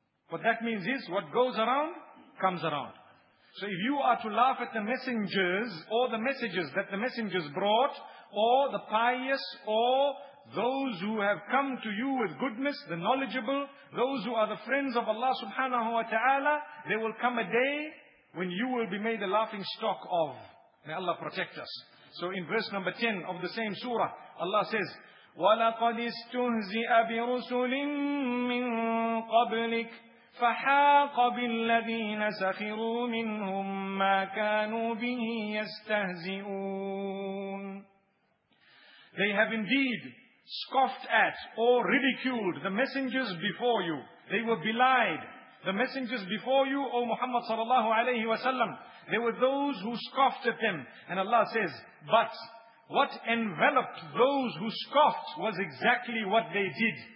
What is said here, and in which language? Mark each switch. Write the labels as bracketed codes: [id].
[en] What that means is, what goes around, comes around. So if you are to laugh at the messengers, or the messages that the messengers brought, or the pious, or those who have come to you with goodness, the knowledgeable, those who are the friends of Allah subhanahu wa ta'ala, there will come a day when you will be made a laughing stock of. May Allah protect us. So in verse number 10 of the same surah, Allah says, [ar] وَلَقَدِ اسْتُهْزِئَ بِرُسُلٍ مِّن قَبْلِكَ فَحَاقَ بِالَّذِينَ سَخِرُوا مِنْهُمْ مَا كَانُوا بِهِ يَسْتَهْزِئُونَ. [en] They have indeed scoffed at or ridiculed the messengers before you. They were belied. The messengers before you, O Muhammad sallallahu alayhi wa sallam, there were those who scoffed at them. And Allah says, but what enveloped those who scoffed was exactly what they did.